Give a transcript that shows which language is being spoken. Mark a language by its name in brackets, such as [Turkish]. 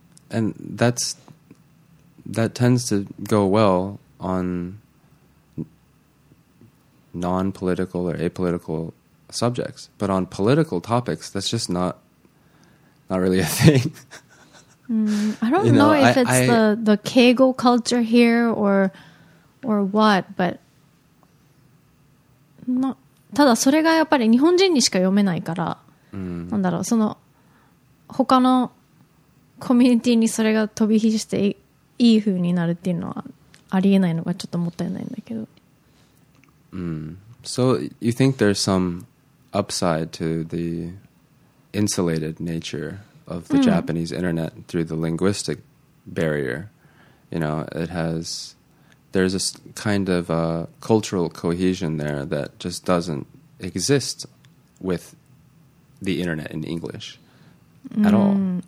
[English] And that'sThat tends to go well on non-political or apolitical subjects. But on political topics, that's just not really a thing. I don't know if it's the keigo culture here or what, but... [Japanese] ただそれがやっぱり日本人にしか読めないから、なんだろう、その他のコミュニティにそれが飛び火して、いい風になるっていうのはありえないのがちょっともったいないんだけど。 [English] So you think there's some upside to the insulated nature of the Japanese internet through the linguistic barrier? You know, there's a kind of a cultural cohesion there that just doesn't exist with the internet in English at all.